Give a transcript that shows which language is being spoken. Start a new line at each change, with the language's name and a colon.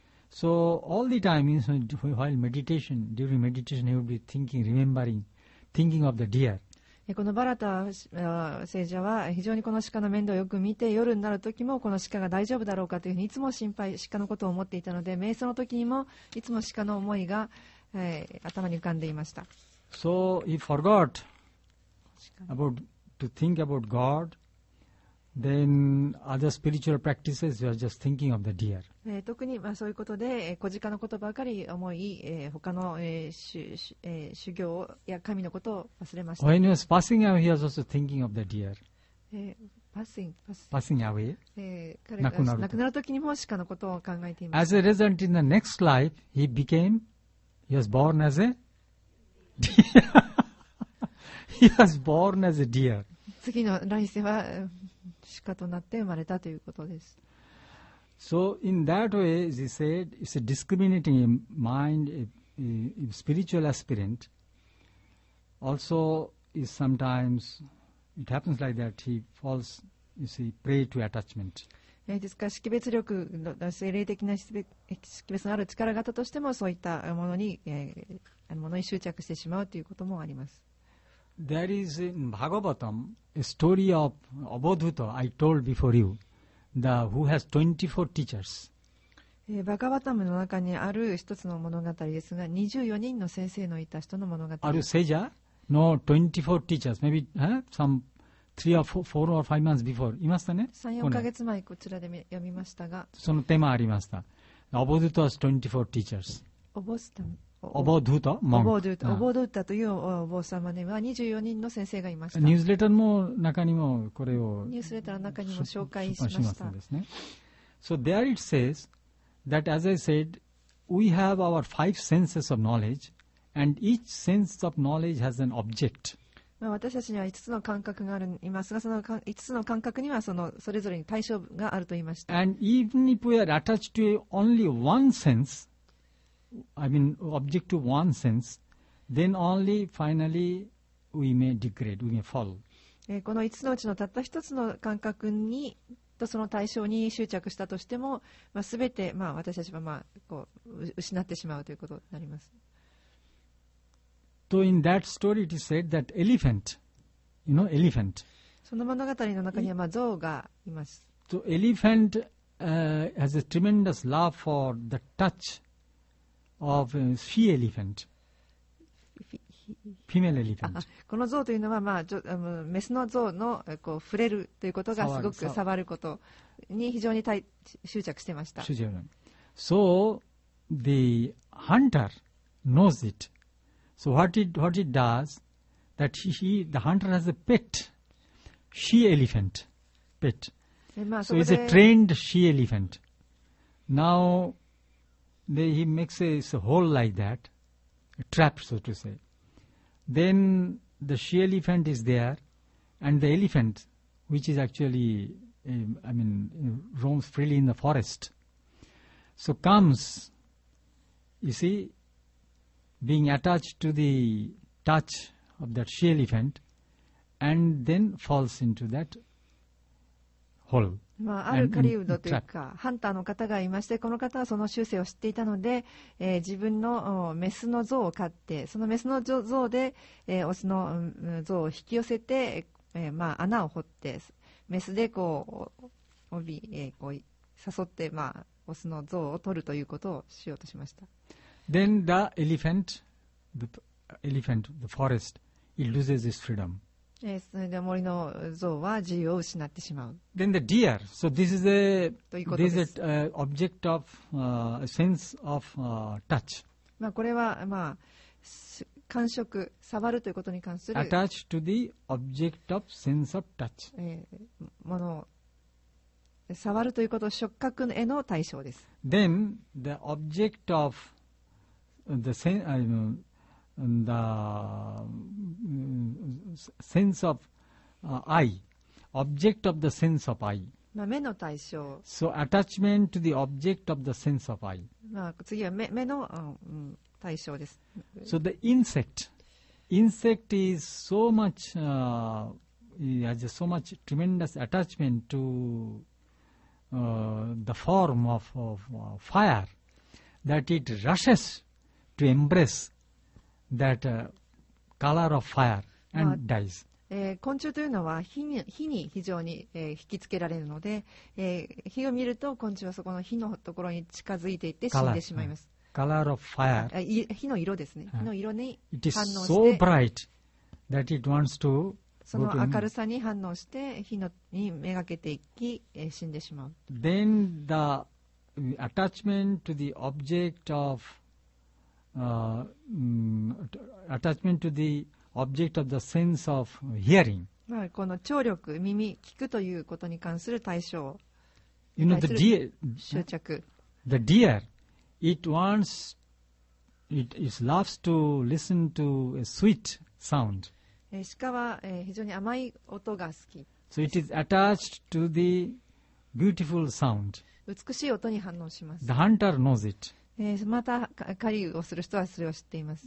English: So all the time, during meditation, he would be thinking of the deer.
Japanese: このバラタ聖者は非常にこの鹿の面倒をよく見て、夜になる時もこの鹿が大丈夫だろうかというふうにいつも心配、鹿のことを思っていたので、瞑想の時にもいつも鹿の思いが、頭に浮かんでいました。
English: So he forgot about to think about God. Then other spiritual practices were just thinking of the deer.
Japanese: 特にまあそういうことで、子鹿のことばかり思い、他の、修行や神のことを忘れました。
English: When he was passing away, he was also thinking of the deer. Passing away.
Japanese: 彼が亡くなるときにも鹿のことを考えています。
English: As a result, in the next life, he was born as a deer. He was born as a deer.
Japanese: 次の来世は鹿となって生まれたということです。
English: So in that way, as he said, it's a discriminating mind, a spiritual aspirant. Also, is sometimes it happens like that. He falls, you see, prey to attachment.
Japanese: ですから識別力の精霊的な識別のある力型としてもそういったものに執着してしまうということもあります。
English: There is in Bhagavatam a story of Avadhuta, I told before you, who has 24 teachers.
Japanese: Bhagavatam の中にある一つの物語ですが、24人の先生のいた人の物語。ある Seja の
English: 24 teachers, maybe some 3 or 4, 4 or 5 months before.
Japanese: いましたね。 3、4ヶ月前こちらで読みましたが。そのテーマありました。
English: Avadhuta has 24 teachers.
Japanese: オボドゥタというお坊様には24人の先生がいました。ニュースレターの中にもこれをニュースレターの中にも紹介しました。そうですね。
English: So there it says that as I said, we have our five senses of knowledge, and each sense of knowledge has an object.
Japanese: 私たちには5つの感覚がある、いますが、その5つの感覚にはそのそれぞれに対象があると言いました。
English: And even if we are attached to only one sense,object to one sense, then only finally we may degrade, we may fall.
Japanese: この5つのうちのたった1つの感覚にとその対象に執着したとしても、まあ、全て、まあ、私たちは、まあ、こう失ってしまうということになります。
English: So in that story it is said that elephant, you know, elephant.
Japanese: その物語の中にはまあ象がいます。
English: So elephant, has a tremendous love for the touch. Of she elephant, female elephant.
Japanese: この象というのは、まあ、メスの象のこう触れるということがすごく触ることに非常に執着していました。
English: So the hunter knows it. So what it does? that he, the hunter has a pet, she elephant, pet. So it's a trained she elephant. Now, he makes a hole like that, a trap, so to say. Then the she elephant is there, and the elephant, which is actually, roams freely in the forest. So comes, you see, being attached to the touch of that she elephant, and then falls into that hole.
Japanese: まあ、ある狩人というかハンターの方がいまして、この方はその習性を知っていたので、自分のメスの象を飼って、そのメスの象で、オスの象を引き寄せて、穴を掘ってメスでこう帯、こう誘って、オスの象を取るということをしようとしました。
English: Then the elephant, the forest, it loses its freedom.
Japanese: それで森の象は自由を失ってしまう。
English: Then the deer. So this is a object of sense of touch.
Japanese: まあこれは感触、触るということに関する。
English: Attached to the object of sense of touch.
Japanese: ものを触るということ、触覚への対象です。
English: Then the object of the sense, and the sense of eye, object of the sense of eye.
Japanese: まあ目の対象。
English: So attachment to the object of the sense of eye.
Japanese: まあ次は目の対象です。
English: So the insect is so much, has so much tremendous attachment to the form of fire that it rushes to embrace. That color of fire and dies.
Japanese: 昆虫というのは火に非常に引きつけられるので、火を見ると昆虫はそこの火のところに近づいていって死んでしまいます。
English: Color of fire.
Japanese: 火の色ですね。火の色に反応して。
English: It is so bright that it wants to.
Japanese: その明るさに反応して火のにめがけていき、死んでしまう。
English: Then the attachment to the object ofattachment to the object of the sense of hearing.
Japanese: この聴力、耳、聞くということに関する対象。
English: You know, the deer,
Japanese: 執着。
English: The deer, it wants, it loves to listen to a sweet sound.
Japanese: 鹿は非常に甘い音が好き。
English: So it is attached to the beautiful sound.
Japanese: 美しい音に反応します。
English: The hunter knows it.
Japanese: また狩りをする人はそれを知っています。